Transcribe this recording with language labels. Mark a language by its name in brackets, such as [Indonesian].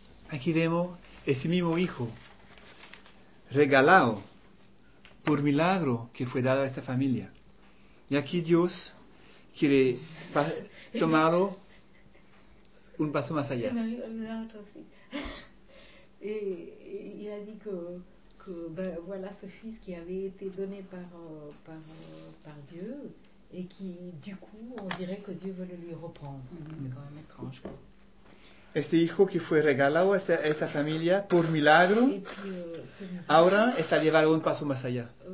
[Spanish] Aquí vemos ese mismo hijo, regalado por milagro que fue dado a esta familia. Y aquí Dios quiere tomarlo un paso más allá. Se me había olvidado otro, sí. [French] Il a dit que ben, voilà ce fils qui avait été donné par Dieu et qui, du coup, on dirait que Dieu veut le lui reprendre. C'est quand même étrange. [Spanish] Este hijo que fue regalado a esta familia por milagro, [French] puis, [Spanish] ahora está llevado un paso más allá.